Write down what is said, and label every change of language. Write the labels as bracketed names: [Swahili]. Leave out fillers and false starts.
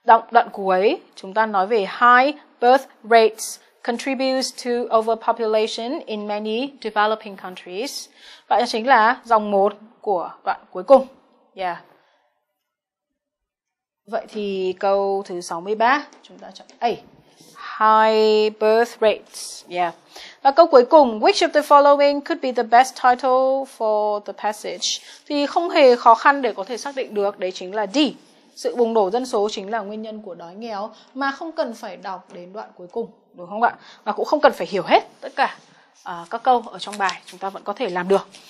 [Vietnamese] Đoạn cuối chúng ta nói về [English] high birth rates contributes to overpopulation in many developing countries. [Vietnamese] Vậy chính là dòng 1 của đoạn cuối cùng. Yeah. Vậy thì câu thứ 63 chúng ta chọn A. [English] High birth rates. Yeah. [Vietnamese] Và câu cuối cùng, [English] which of the following could be the best title for the passage? [Vietnamese] Thì không hề khó khăn để có thể xác định được, đấy chính là D. Sự bùng nổ dân số chính là nguyên nhân của đói nghèo, mà không cần phải đọc đến đoạn cuối cùng, đúng không ạ? Và cũng không cần phải hiểu hết tất cả các câu ở trong bài, chúng ta vẫn có thể làm được.